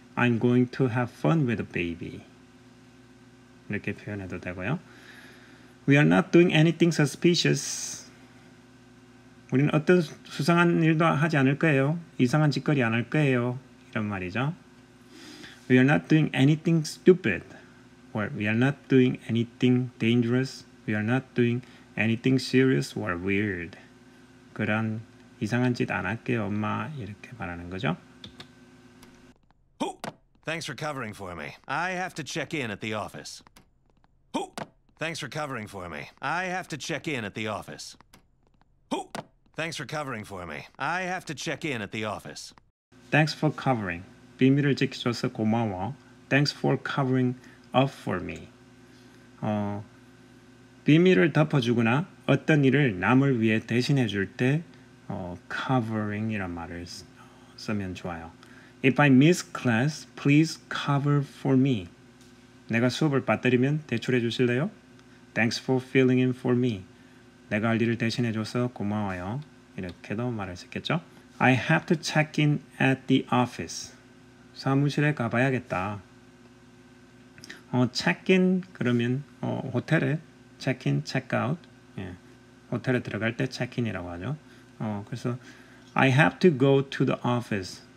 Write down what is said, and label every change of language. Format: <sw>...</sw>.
<en>I'm going to have fun with the baby.</en> <ko>이렇게 표현해도 되고요.</ko> <en>We are not doing anything suspicious.</en> <ko>우리는 어떤 수상한 일도 하지 않을 거예요. 이상한 짓거리 안 할 거예요. 이런 말이죠.</ko> <en>We are not doing anything stupid. Or we are not doing anything dangerous. We are not doing anything serious or weird.</en> <ko>그런 이상한 짓 안 할게요, 엄마. 이렇게 말하는 거죠.</ko> <en>Who? Thanks for covering for me. I have to check in at the office. Who? Thanks for covering for me. I have to check in at the office. Who? Thanks for covering for me. I have to check in at the office. Thanks for covering.</en> <ko>비밀을 지켜줘서 고마워.</ko> <en>Thanks for covering up for me.</en> <ko>비밀을 덮어주거나 어떤 일을 남을 위해 대신해 줄 때 covering 이란 말을 쓰면 좋아요.</ko> <en>If I miss class, please cover for me.</en> <ko>내가 수업을 빠뜨리면 대출해 주실래요?</ko> <en>Thanks for filling in for me.</en> <ko>내가 할 일을 대신해 줘서 고마워요. 이렇게도 말할 수 있겠죠?</ko> <en>I have to check in at the office.</en> <ko>사무실에 가봐야겠다. Check in 그러면 호텔에 check-in, check-out, 예. 호텔에 들어갈 때 check-in이라고 하죠. 그래서</ko> <en>I have to go to the office.</en>